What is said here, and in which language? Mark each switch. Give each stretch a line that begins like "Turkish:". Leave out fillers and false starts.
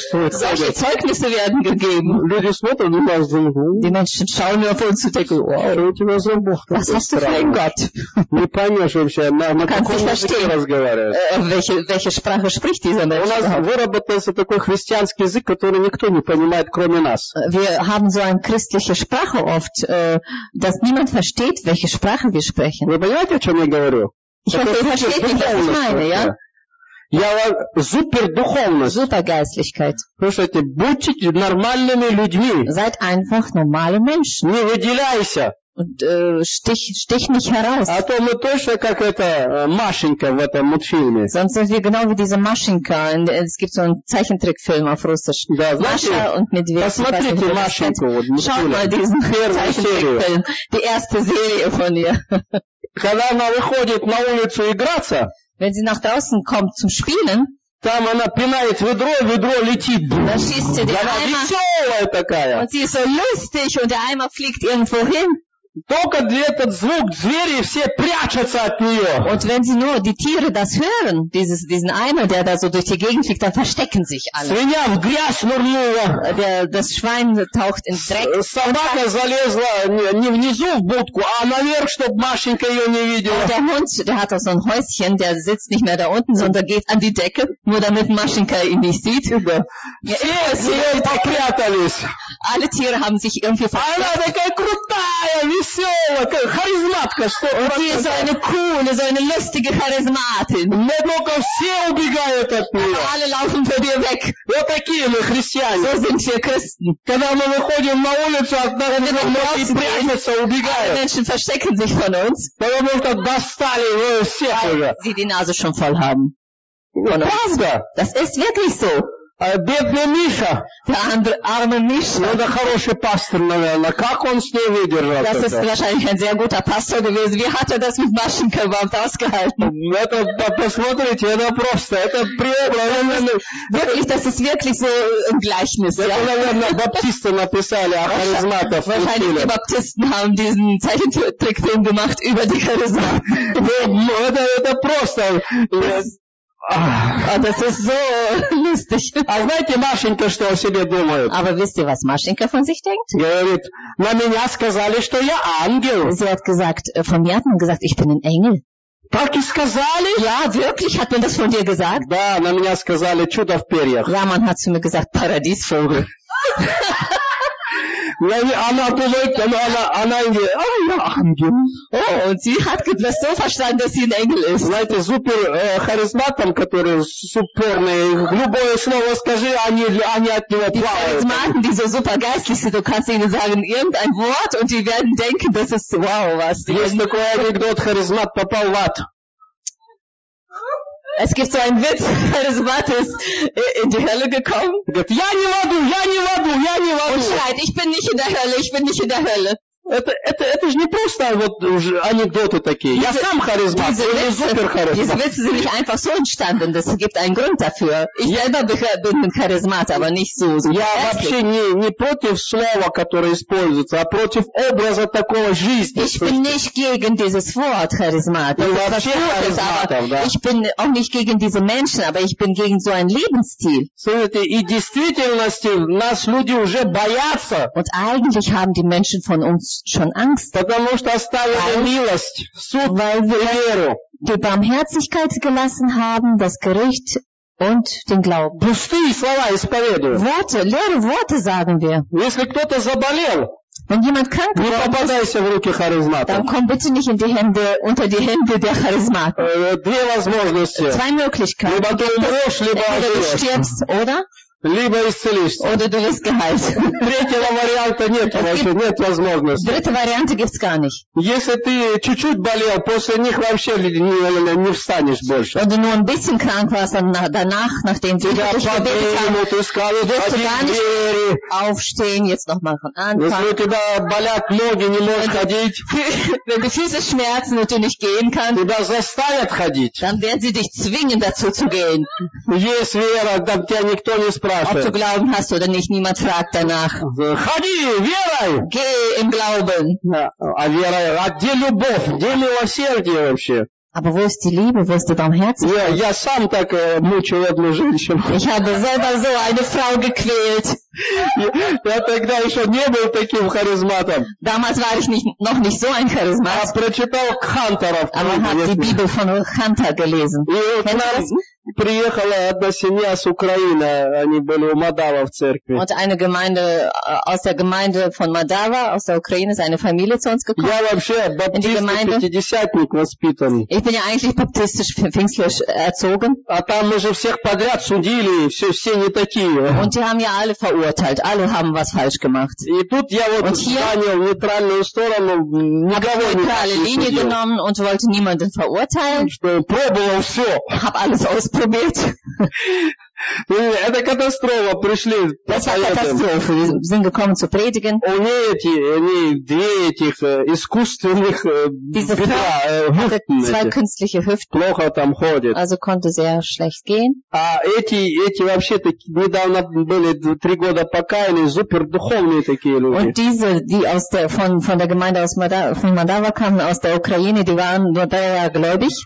German: Solche Zeugnisse werden gegeben.
Russian: Люди смотрят на нас, думают.
German: Die Menschen schauen auf uns und denken, wow. Was hast du für ein Gott?
Russian: Не поймешь вообще, на каком языке разговариваешь.
German: Welche Sprache spricht dieser Mensch?
Russian: У нас выработался такой христианский язык, который никто не понимает, кроме нас.
German: Wir haben so eine christliche Sprache oft, dass niemand versteht, welche Sprache wir sprechen. Ich hoffe, ihr versteht nicht, was ich meine, ja?
Russian: Я супер духовность.
German: Super Geistlichkeit.
Russian: Слушайте, будьте нормальными людьми.
German: Seid einfach normale Menschen.
Russian: Не выделяйся.
German: Und stich nicht heraus.
Russian: А то мы точно как эта Машенька в этом мультфильме.
German: Sonst sind wir genau wie diese Машенька. Es gibt so einen Zeichentrickfilm auf Russisch.
Russian: Да, знаете, Маша und Медведь. Посмотрите Машеньку.
German: Schau mal diesen Zeichentrickfilm. Die erste Serie von ihr.
Russian: Когда она выходит на улицу играться,
German: wenn sie nach draußen kommt zum Spielen,
Russian: там она пинает ведро, ведро летит.
German: Da schießt sie den Eimer.
Russian: Она веселая такая.
German: Und sie ist so lustig und der Eimer fliegt irgendwo hin.
Russian: Только этот звук звери все прячутся от нее.
German: Und wenn sie nur die Tiere das hören, diesen Eimer, der da so durch die Gegend fliegt, dann verstecken sich alle.
Russian: Свинья в грязь нырнула.
German: Das Schwein taucht in Dreck.
Russian: Собака залезла не внизу в будку, а наверх, чтобы Машенька ее не видела.
German: Und der Hund, der hat auch so ein Häuschen, der sitzt nicht mehr da unten, sondern geht an die Decke, nur damit Машенька ihn nicht sieht.
Russian: Все попрятались.
German: Alle Tiere haben sich irgendwie verstanden.
Russian: Она такая крутая, веселая, какая харизматка. Что
German: und sie ist so eine coole, so eine lustige Charismatin.
Russian: Но только все убегают от нее.
German: Aber alle laufen von dir weg.
Russian: Вот такие мы христиане.
German: So sind wir Christen.
Russian: Когда мы выходим на улицу, от нас многие прячутся, убегают.
German: Alle Menschen verstecken sich von uns.
Russian: Потому что достали его всех уже.
German: Sie die Nase schon voll haben.
Russian: Правда?
German: Das ist wirklich so.
Russian: А бедный Миша.
German: Der andere, arme Миша.
Russian: Ну, это хороший пастор, наверное. Как он с ней выдержал?
German: Das ist wahrscheinlich ein sehr guter Pastor gewesen. Wie hat das mit Maschinka überhaupt ausgehalten?
Russian: Это, посмотрите, это просто. Это преобразование.
German: Wirklich, das ist wirklich so ein Gleichnis.
Russian: Это, наверное, баптисты написали о харизматах.
German: Wahrscheinlich die Baptisten haben diesen Zeichentrickfilm gemacht über die Charisma.
Russian: Это просто.
German: А, das ist so lustig.
Russian: А знаете, Машенька, что о себе думает?
German: Aber wisst ihr, was Машенька von sich denkt?
Russian: Говорит, на меня сказали, что я ангел.
German: Sie hat gesagt, von mir hat man gesagt, ich bin ein Engel.
Russian: Так и сказали?
German: Ja, wirklich, hat man das von dir gesagt?
Russian: Да, на меня сказали, чудо в перьях.
German: Ja, man hat zu mir gesagt, Paradiesvogel.
Russian: Она думает, она и говорит, а я ангел.
German: О, und sie hat das so verstanden, dass sie ein Engel ist.
Russian: Знаете, супер харизматом, который суперный, любое слово скажи, они от него плавают.
German: Die Charismaten, die so super geistlich sind, du kannst ihnen sagen irgendein Wort und die werden denken, das ist wow, was.
Russian: Есть такой анекдот, харизмат попал в ад.
German: Es gibt so einen Witz, Charismat ist in die Hölle gekommen.
Russian: Ja, не ваду, я не ваду, я не ваду.
German: Und schreit, ich bin nicht in der Hölle, ich bin nicht in der Hölle.
Russian: Это же не просто вот анекдоты такие. Я сам харизмат, я супер харизмат.
German: Diese Witze sind nicht einfach so entstanden, das gibt einen Grund dafür. Ich selber bin ein Charismat, aber nicht so.
Russian: Я вообще не против слова, которое используется, а против образа такого жизни.
German: Ich bin nicht gegen dieses Wort Charismat. Ich bin auch nicht gegen diese Menschen, aber ich bin gegen so einen Lebensstil.
Russian: Слушайте, и действительности нас люди уже боятся.
German: Und eigentlich haben die Menschen von uns schon Angst.
Russian: Потому что оставили милость, суд,
German: weil wir die Barmherzigkeit gelassen haben, das Gericht und den Glauben.
Russian: Пустые слова исповедую.
German: Worte, leere Worte sagen wir.
Russian: Если кто-то заболел,
German: wenn jemand krank
Russian: не попадайся в руки харизмата.
German: Dann komm bitte nicht in die Hände, unter die Hände der Charismaten.
Russian: Две возможности.
German: Zwei Möglichkeiten.
Russian: Либо ты умрешь, либо
German: entweder du stirbst, oder?
Russian: Либо исцелишься.
German: Oder du wirst geheilt.
Russian: Третьего варианта нет вообще, нет возможности.
German: Dritte Variante gibt's gar nicht.
Russian: Если ты чуть-чуть болел, после них вообще не встанешь больше.
German: Wenn du nur ein bisschen krank warst, dann danach, nachdem du dich gebetet hast, wirst du gar nicht aufstehen, jetzt nochmal von Anfang.
Russian: Если у тебя болят ноги, не можешь ходить.
German: Wenn du Füße schmerzen und du nicht gehen kannst,
Russian: тебя заставят ходить.
German: Dann werden sie dich zwingen, dazu zu gehen.
Russian: Есть вера, там тебя никто не спрашивает. спрашивает.
German: Ob du glauben hast oder nicht, niemand fragt danach.
Russian: Заходи, верой.
German: Geh im Glauben.
Russian: А вера, а где любовь, где милосердие вообще?
German: Aber wo ist die Liebe, wo ist die Barmherzigkeit?
Russian: Я сам так мучил одну женщину.
German: Ich habe selber so eine Frau gequält.
Russian: Я тогда еще не был таким харизматом.
German: Damals war ich nicht, noch nicht so ein Charismat.
Russian: А прочитал Хантера.
German: Aber habe die Bibel von Hunter gelesen.
Russian: Приехала одна семья с Украины, они были у Мадава в церкви.
German: Und eine Gemeinde aus der Gemeinde von Madava aus der Ukraine ist eine Familie zu uns gekommen.
Russian: Я вообще баптист-пятидесятник воспитанный.
German: Ich bin ja eigentlich baptistisch, pfingstlich erzogen.
Russian: А там мы же всех подряд судили, все не такие.
German: Und die haben ja alle verurteilt, alle haben was falsch gemacht.
Russian: И тут я вот занял нейтральную сторону, никого не
German: нейтрале линии genommen und wollte niemanden verurteilen.
Russian: Что пробовал все.
German: Hab alles ausprobiert.
Russian: Это катастрофа, пришли.
German: Das war Katastrophe, wir sind gekommen zu predigen.
Russian: У нее эти, они две этих искусственных бедра,
German: zwei künstliche Hüften.
Russian: Плохо там ходит.
German: Also konnte sehr schlecht gehen.
Russian: А эти вообще недавно были три года покаяны, супер духовные такие люди.
German: Und diese, die aus der, von der Gemeinde aus Moldawa kamen, aus der Ukraine, die waren nur drei Jahre gläubig.